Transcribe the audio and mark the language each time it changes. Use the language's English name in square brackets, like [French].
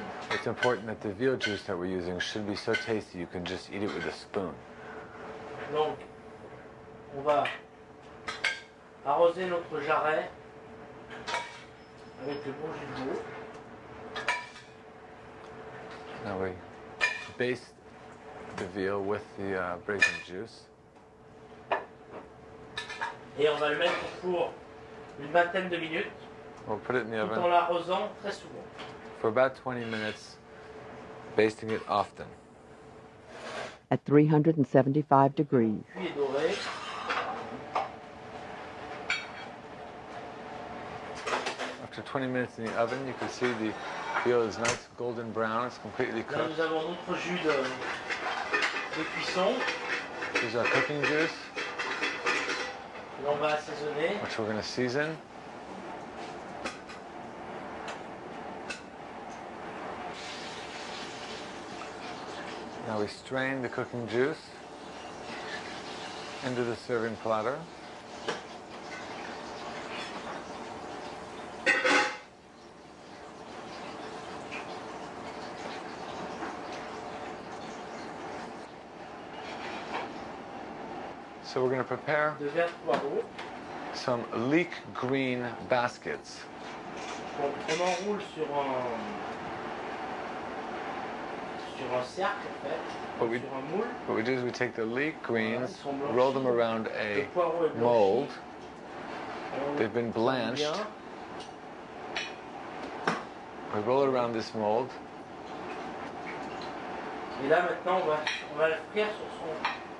[English] It's important that the veal juice that we're using should be so tasty you can just eat it with a spoon. [French] Donc, on va arroser notre jarret avec le bon jus de veau. [English] Now we baste the veal with the braising juice. [French] Et on va le mettre au four. Une vingtaine de minutes. [English] We'll put it in the oven. [French] Tout en l'arrosant très souvent. [English] For about 20 minutes, basting it often. At 375 degrees. [French] Cuit et doré. [English] After 20 minutes in the oven, you can see the veal is nice golden brown. It's completely cooked. [French] Là, nous avons notre jus de cuisson. [English] This is our cooking juice. [French] On va [English] which we're going to season. Now we strain the cooking juice into the serving platter. So we're going to prepare some leek green baskets. [French] On enroule sur un cercle, en fait, sur un moule. [English] What we do is we take the leek greens, roll them around a mold. They've been blanched. We roll it around this mold. [French] Et là maintenant, on va le frire sur son.